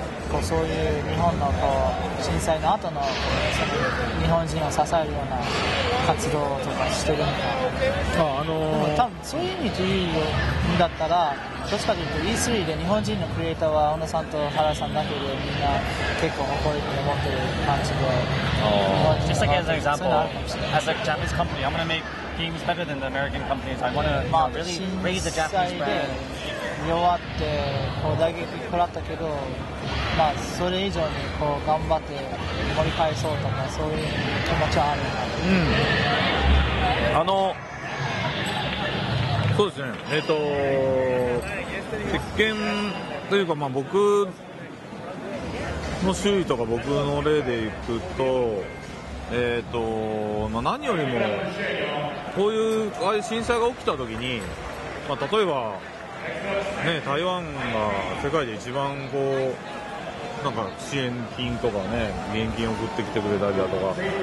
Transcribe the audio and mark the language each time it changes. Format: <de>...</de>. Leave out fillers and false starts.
<ja>構そういう日本のこう震災の後 の, その日本人を支えるような活動とかしてるのか、多分そういう意味でいいんだったら、どっちかというと E3 で日本人のクリエイターは小野さんと原さんだけでみんな結構誇りに思ってる感じで、</ja> <en>Just like as an example, as a Japanese company, I'm going to make games better than the American companies. I want to really raise the Japanese brand.</en> <ja>弱ってこう打撃食らったけど、まあ、それ以上にこう頑張って盛り返そうとか、そういう気持ちはあるな、うん、あのそうですね、鉄拳というか、まあ、僕の周囲とか僕の例でいくと、まあ、何よりもこういう震災が起きた時に、まあ、例えば、ね、台湾が世界で一番こうなんか支援金とかね、現金送ってきてくれたりだとか、</ja>